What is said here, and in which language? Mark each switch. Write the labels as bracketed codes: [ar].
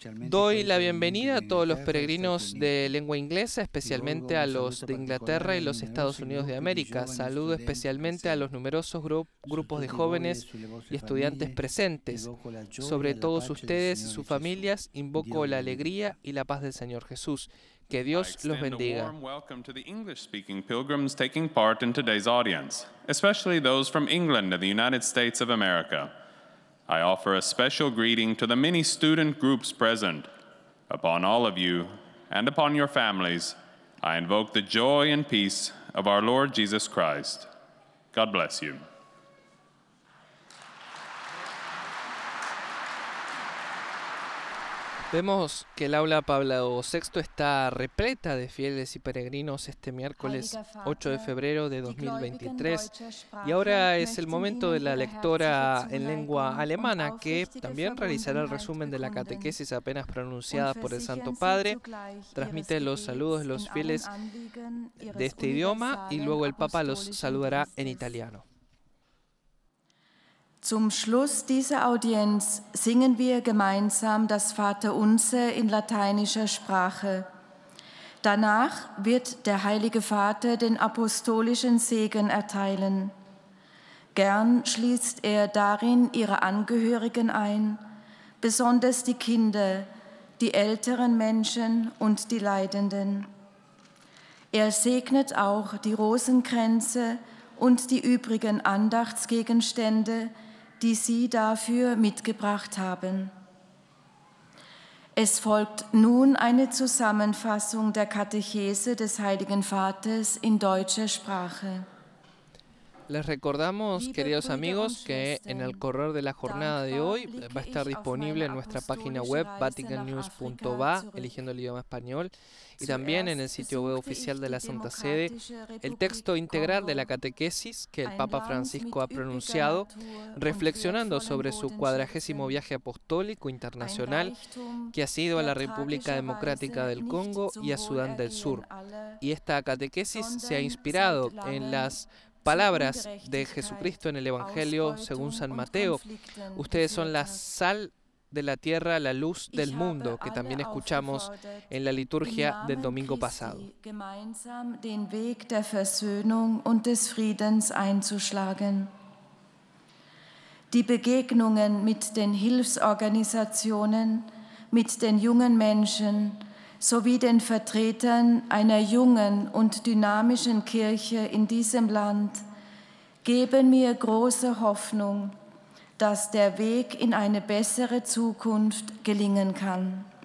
[es] Doy la bienvenida a todos los peregrinos de lengua inglesa, especialmente a los de Inglaterra y los Estados Unidos de América. Saludo especialmente a los numerosos grupos de jóvenes y estudiantes presentes. Sobre todos ustedes y sus familias, invoco la alegría y la paz del Señor Jesús. Que Dios los bendiga. [en] I extend a warm welcome to the English-speaking pilgrims taking part in today's audience, especially those from England and the United States of America. I offer a special greeting to the many student groups present. Upon all of you and upon your families, I invoke the joy and peace of our Lord Jesus Christ. God bless you. [es] Vemos que el aula Pablo VI está repleta de fieles y peregrinos este miércoles 8 de febrero de 2023. Y ahora es el momento de la lectora en lengua alemana, que también realizará el resumen de la catequesis apenas pronunciada por el Santo Padre. Transmite los saludos de los fieles de este idioma y luego el Papa los saludará en italiano. [de] Zum Schluss dieser Audienz singen wir gemeinsam das Vaterunser in lateinischer Sprache. Danach wird der Heilige Vater den apostolischen Segen erteilen. Gern schließt er darin ihre Angehörigen ein, besonders die Kinder, die älteren Menschen und die Leidenden. Er segnet auch die Rosenkränze und die übrigen Andachtsgegenstände, die Sie dafür mitgebracht haben. Es folgt nun eine Zusammenfassung der Katechese des Heiligen Vaters in deutscher Sprache. [es] Les recordamos, queridos amigos, que en el correr de la jornada de hoy va a estar disponible en nuestra página web vaticannews.va, eligiendo el idioma español, y también en el sitio web oficial de la Santa Sede, el texto integral de la catequesis que el Papa Francisco ha pronunciado, reflexionando sobre su cuadragésimo viaje apostólico internacional que ha sido a la República Democrática del Congo y a Sudán del Sur. Y esta catequesis se ha inspirado en las palabras de Jesucristo en el Evangelio según San Mateo: ustedes son la sal de la tierra, la luz del mundo, que también escuchamos en la liturgia del domingo pasado. [de] Den Weg der Versöhnung und des Friedens einzuschlagen. Die Begegnungen mit den Hilfsorganisationen, mit den jungen Menschen sowie den Vertretern einer jungen und dynamischen Kirche in diesem Land geben mir große Hoffnung, dass der Weg in eine bessere Zukunft gelingen kann.